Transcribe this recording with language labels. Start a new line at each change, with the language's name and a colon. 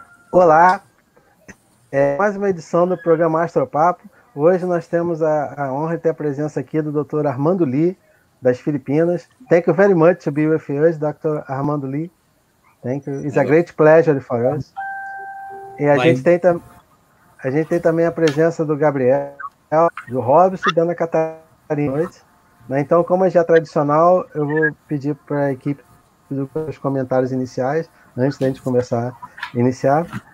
Portuguese: Olá, é mais uma edição do programa Astropapo. Hoje nós temos a honra de ter a presença aqui do Dr. Armando Lee, das Filipinas.
English: Thank you very much to be with us, Dr. Armando Lee. Thank you. It's a great pleasure for us.
Portuguese: E a gente tem também a presença do Gabriel, do Robson e da Ana Catarina hoje. Então, como é já tradicional, eu vou pedir para a equipe os comentários iniciais, antes da gente começar a iniciar.